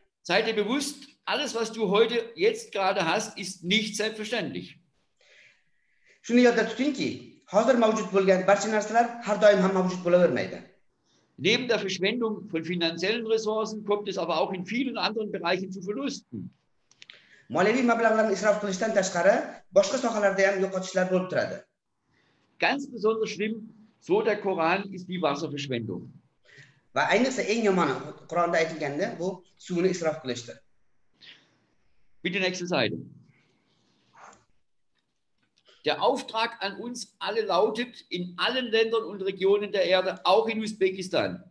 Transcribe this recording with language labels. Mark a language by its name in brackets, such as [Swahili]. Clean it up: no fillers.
[German] Sei dir bewusst, alles was du heute jetzt gerade hast, ist nicht selbstverständlich. [Uzbek] Shuni yodda tutingki, hozir mavjud bo'lgan barcha narsalar har doim ham mavjud bo'lavermaydi. [German] Neben der Verschwendung von finanziellen Ressourcen kommt es aber auch in vielen anderen Bereichen zu Verlusten. [Uzbek] Moliyaviy mablag'larni isrof qilishdan tashqari, boshqa sohalarda ham yo'qotishlar bo'lib turadi. [German] Ganz besonders schlimm, so der Koran, ist die Wasserverschwendung. [Uzbek] Va ayniqsa eng yomoni Qur'onda aytilganda bu suvni isrof qilishdir. [German] Bitte nächste Seite. Der Auftrag an uns alle lautet in allen Ländern und Regionen der Erde, auch in Usbekistan.